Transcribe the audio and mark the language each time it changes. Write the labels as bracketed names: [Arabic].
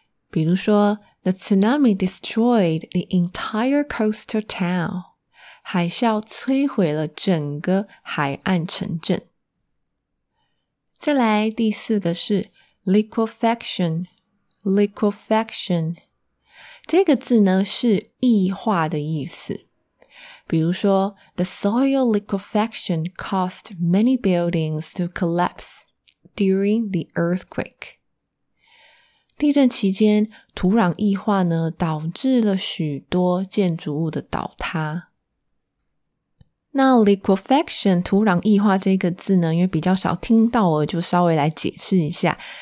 [Chinese] 比如说 [English] The tsunami destroyed the entire coastal town. [Chinese] 海啸摧毁了整个海岸城镇。再来第四个是 liquefaction, liquefaction. 这个字呢是液化的意思。比如说 [English] The soil liquefaction caused many buildings to collapse. During the earthquake. [Chinese] 地震期间土壤异化呢导致了许多建筑物的倒塌。那 liquefaction, 土壤异化这个字呢因为比较少听到了就稍微来解释一下。